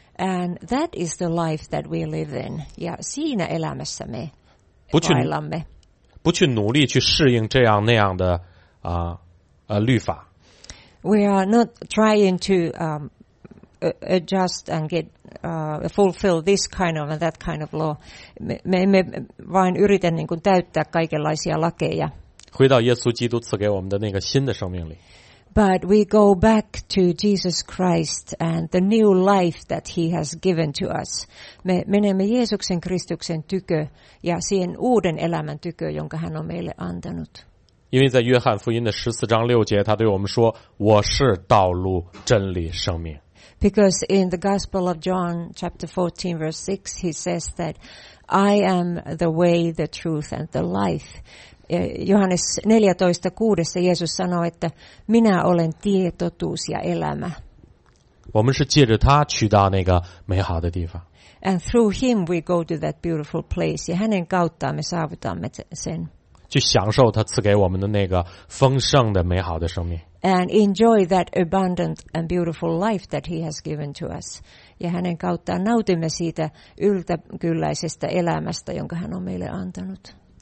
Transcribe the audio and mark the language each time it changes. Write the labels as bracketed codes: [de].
[en] And that is the life that we live in, [fi] ja siinä elämässä me vaellamme. [zh] 不去努力去适应这样那样的律法。 [en] We are not trying to adjust and get fulfill this kind of and that kind of law. [fi] Me emme vain yritä niin kuin täyttää kaikenlaisia lakeja. [zh] 回到耶稣基督赐给我们的那个新的生命里。 [en] But we go back to Jesus Christ and the new life that he has given to us. [fi] Me menemme Jeesuksen Kristuksen tykö ja siihen uuden elämän tykö, jonka hän on meille antanut. [zh] 因为在约翰福音的十四章六节他对我们说我是道路真理生命。 [en] Because in the Gospel of John chapter 14 verse 6 he says that I am the way, the truth and the life. [fi] Johannes 14:6 Jeesus sanoo, että minä olen tie, totuus ja elämä. [zh] 我们是借着他去到那个美好的地方。 [en] And through him we go to that beautiful place. [fi] Ja hänen kauttaan me saavutamme sen. [zh] 去享受他赐给我们的那个丰盛的美好的生命。 [en] And enjoy that abundant and beautiful life that he has given to us. [fi] Ja hänen kauttaan nautimme siitä yltäkylläisestä elämästä, jonka hän on meille antanut.